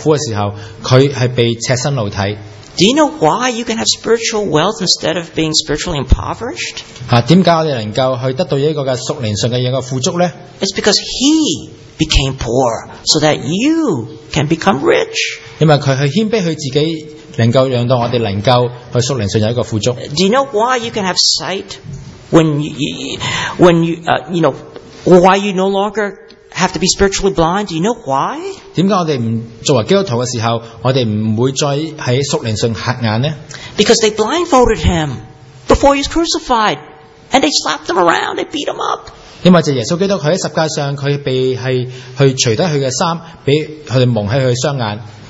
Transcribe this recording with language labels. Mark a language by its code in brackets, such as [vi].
[zh] 大家就记得就话，当他去十架上去受苦的时候，他是被赤身露体。 [en] Do you know why you can have spiritual wealth instead of being spiritually impoverished? [zh] 为什么我们能够去得到一个属灵上的一个富足呢？ [en] It's because he became poor so that you can become rich. [zh] 因为他去谦卑他自己，能够让到我们能够去属灵上有一个富足。 [en] Do you know why you can have sight why you no longer have to be spiritually blind? Do you know why? [zh] 为什么我们不作为基督徒的时候，我们不会再在属灵上瞎眼呢？ [en] Because they blindfolded him before he was crucified, and they slapped him around, they beat him up. [zh] 因为耶稣基督他在十架上，他被除掉他的衣服，被他们蒙起他的双眼。